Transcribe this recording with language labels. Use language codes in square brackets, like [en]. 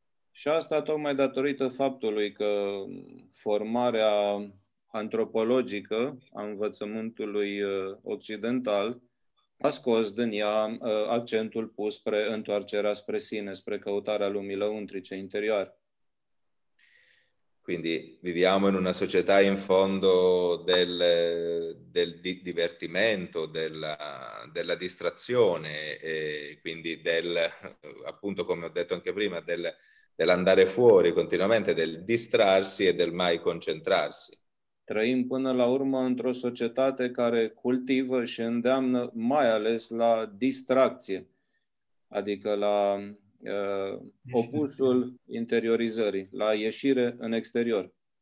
[ro] Și asta tocmai datorită faptului că formarea antropologică a învățământului occidental a scos din ea accentul pus spre întoarcerea spre sine, spre căutarea lumii lăuntrice interioare. [it] Quindi viviamo in una società in fondo del divertimento, della distrazione, e quindi appunto, come ho detto anche prima, dell'andare fuori continuamente, del distrarsi e del mai concentrarsi. [ro] Trăim până la urmă într-o societate care cultivă și îndeamnă mai ales la distracție, adică la opusul interiorizării, la ieșire în exterior.